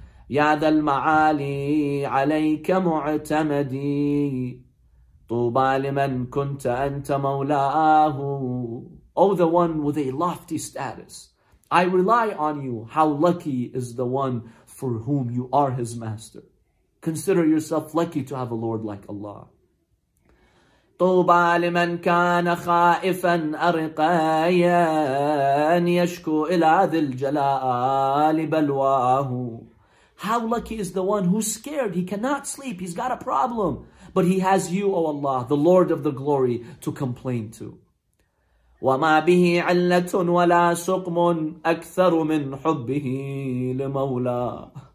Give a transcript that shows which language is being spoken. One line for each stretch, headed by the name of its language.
Arabic: يَا ذَا الْمَعَالِي عَلَيْكَ مُعْتَمَدِي طُوبَى لِمَنْ كُنْتَ أَنْتَ مَوْلَاهُ.
English: Oh, the one with a lofty status. I rely on you. How lucky is the one for whom you are his master. Consider yourself lucky to have a Lord like Allah.
Arabic: طوبى لمن كان خائفا أرقيان يشكو إلى ذي الجلال بلواه.
English: How lucky is the one who's scared. He cannot sleep. He's got a problem. But he has you, O Allah, the Lord of the glory, to complain to.
Arabic: وَمَا بِهِ عِلَّةٌ وَلَا سُقْمٌ أَكْثَرُ مِنْ حُبِّهِ لِمَوْلَاهُ.